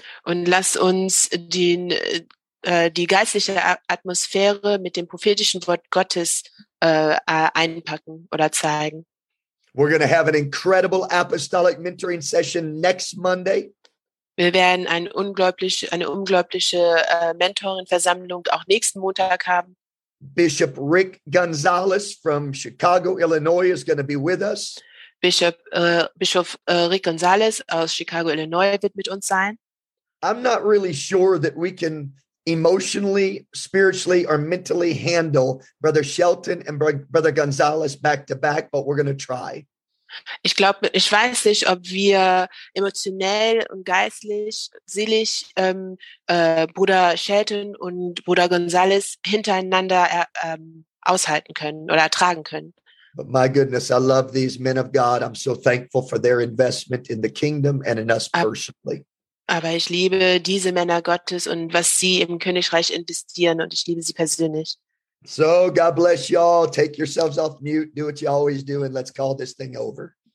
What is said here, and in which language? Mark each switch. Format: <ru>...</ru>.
<de>Und lass uns die geistliche Atmosphäre mit dem prophetischen Wort Gottes einpacken oder zeigen.</de> <en>We're going to have an incredible apostolic mentoring session next Monday.</en> <de>Wir werden eine unglaubliche Mentorenversammlung auch nächsten Montag haben.</de> <en>Bishop Rick Gonzalez from Chicago, Illinois is going to be with us.</en> <de>Bischof Rick Gonzalez aus Chicago, Illinois wird mit uns sein.</de> <en>I'm not really sure that we can emotionally, spiritually, or mentally handle Brother Shelton and Brother Gonzalez back to back, but we're going to try.</en> <de>Ich glaube, ich weiß nicht, ob wir emotionell und geistlich, seelisch Bruder Shelton und Bruder Gonzalez hintereinander aushalten können oder ertragen können.</de> <en>But my goodness, I love these men of God. I'm so thankful for their investment in the kingdom and in us personally.</en> <de>Aber ich liebe diese Männer Gottes und was sie im Königreich investieren, und ich liebe sie persönlich.</de> <en>So, God bless y'all. Take yourselves off mute. Do what you always do, and let's call this thing over.</en>